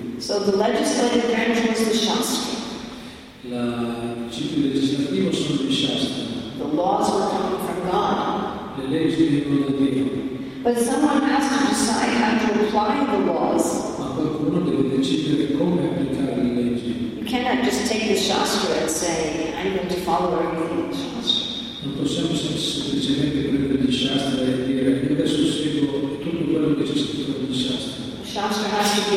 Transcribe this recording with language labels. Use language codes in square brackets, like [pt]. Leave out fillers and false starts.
[en] So the legislative branch was the Shastra. [it] La principio legislativo sono gli Shastra. [en] The laws were coming from God. [it] Le leggi vengono da Dio. [en] But someone has to decide how to apply the laws. [it] Ma qualcuno deve decidere come applicare le leggi. [en] You cannot just take the Shastra and say, I'm going to follow everything in the Shastra. [it] Non possiamo semplicemente prendere gli Shastra e dire, io adesso seguo tutto quello che c'è scritto nel Shastra.